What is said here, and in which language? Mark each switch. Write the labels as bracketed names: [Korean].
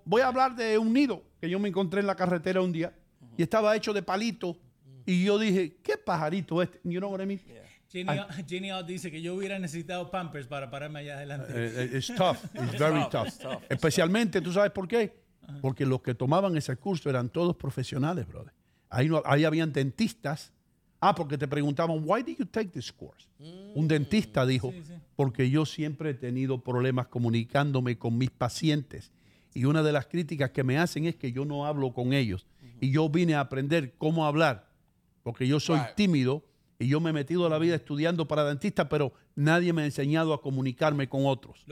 [Spanish] voy a hablar de un nido que yo me encontré en la carretera un día y estaba hecho de palitos. Y yo dije, ¿qué pajarito este? [English] You know what I mean? Yeah. [Spanish] Ginny Ott dice que yo hubiera necesitado Pampers para pararme allá adelante. [English] It's tough. It's very tough. It's tough. [Spanish] Especialmente, ¿tú sabes por qué? Porque los que tomaban ese curso eran todos profesionales, brother. Ahí habían dentistas. Ah, porque te preguntaban, [English] why did you take this course? [Spanish] Un dentista dijo, porque yo siempre he tenido problemas comunicándome con mis pacientes. Y una de las críticas que me hacen es que yo no hablo con ellos. Y yo vine a aprender cómo hablar, porque yo soy tímido. Y yo me he metido la vida estudiando para dentista, pero nadie me ha enseñado a comunicarme con otros.